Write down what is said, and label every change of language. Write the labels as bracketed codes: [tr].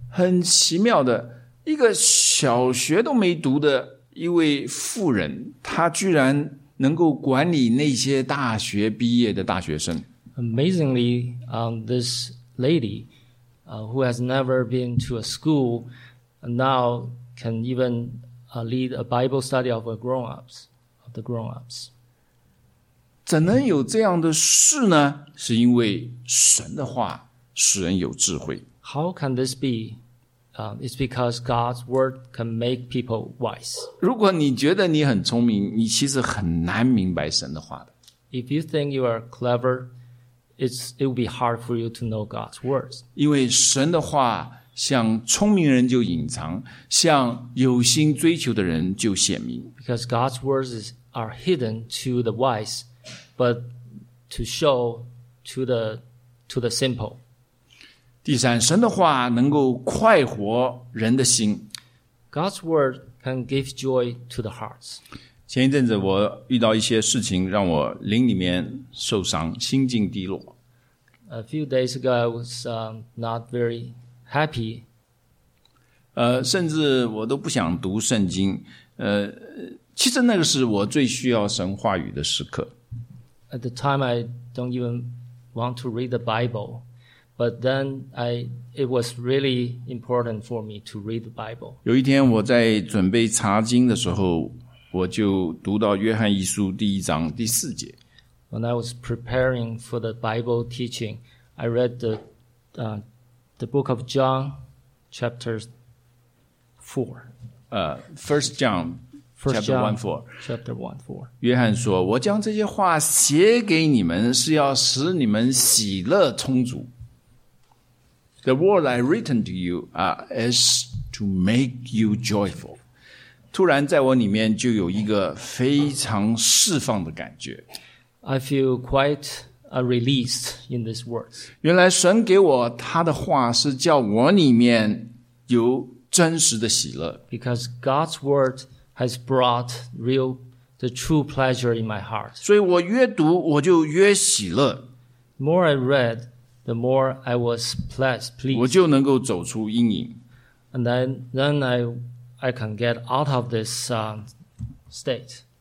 [zh] 很奇妙的，一个小学都没读的一位妇人，她居然能够管理那些大学毕业的大学生。 [en] Amazingly, this lady who has never been to a school and now can even lead a Bible study of the grown-ups. [zh] 怎能有这样的事呢？是因为神的话使人有智慧。 [en] How can this be? It's because God's word can make people wise. [zh] 如果你觉得你很聪明，你其实很难明白神的话的。 [en] If you think you are clever, it will be hard for you to know God's words. [zh] 因为神的话向聪明人就隐藏，向有心追求的人就显明。 [en] Because God's words are hidden to the wise, but to show to the simple. [zh] 第三，神的话能够快活人的心。 [en] God's word can give joy to the hearts. [zh] 前一阵子我遇到一些事情，让我灵里面受伤，心境低落。 [en] A few days ago, I was not very happy. [zh] 甚至我都不想读圣经。其实那个是我最需要神话语的时刻。 [en] At the time, I don't even want to read the Bible, but then it was really important for me to read the Bible. [zh] 有一天我在准备查经的时候，我就读到约翰一书第一章第四节。 [en] When I was preparing for the Bible teaching, I read the book of John, chapter 4. First John, chapter 1, 4. [zh] 约翰说，我将这些话写给你们，是要使你们喜乐充足。 [en] The word I written to you, is to make you joyful. [zh] 突然在我里面就有一个非常释放的感觉。 [en] I feel quite released in this word. [zh] 原来神给我他的话是叫我里面有真实的喜乐。 [en] Because God's word has brought the true pleasure in my heart. [zh] 所以我越读我就越喜乐。 [en] The more I read, the more I was pleased. [zh] 我就能够走出阴影。 [en] And then I can get out of this state.